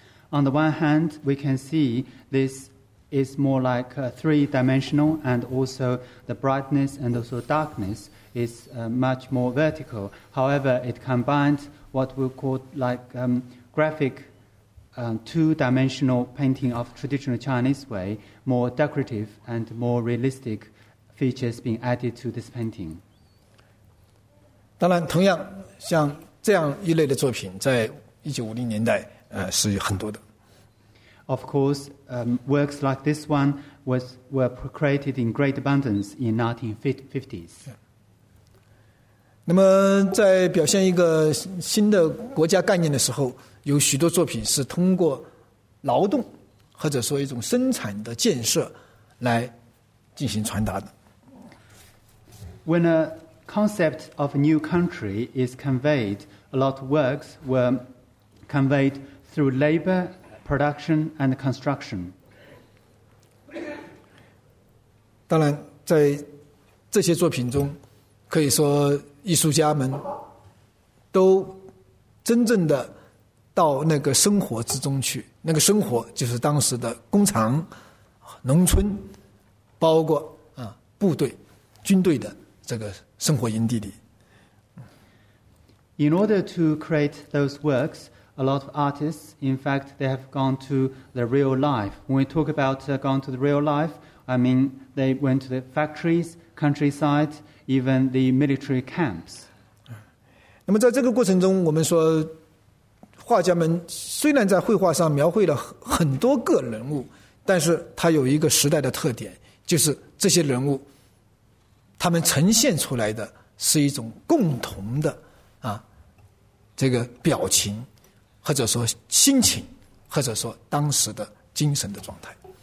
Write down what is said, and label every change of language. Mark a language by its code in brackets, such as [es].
[en] On the one hand, we can see this is more like three-dimensional, and also the brightness and also darkness. Is much more vertical. However, it combines what we call like graphic two-dimensional painting of traditional Chinese way, more decorative and more realistic features being added to this painting. [zh] 当然，同样像这样一类的作品，在1950年代是很多的。 [en] Of course, works like this one were created in great abundance in 1950s. [zh] 那么在表现一个新的国家概念的时候，有许多作品是通过劳动或者说一种生产的建设来进行传达的。 [en] When a concept of a new country is conveyed, a lot of works were conveyed through labor, production, and construction. [zh] 当然在这些作品中可以说艺术家们都真正的到那个生活之中去，那个生活就是当时的工厂、农村，包括部队、军队的这个生活营地里。 [en] In order to create those works, a lot of artists, in fact, they have gone to the real life. When we talk about gone to the real life, I mean they went to the factories, countryside. Even the military camps. [zh] 那么在这个过程中，我们说，画家们虽然在绘画上描绘了很多个人物，但是他有一个时代的特点，就是这些人物，他们呈现出来的是一种共同的这个表情，或者说心情，或者说当时的精神的状态。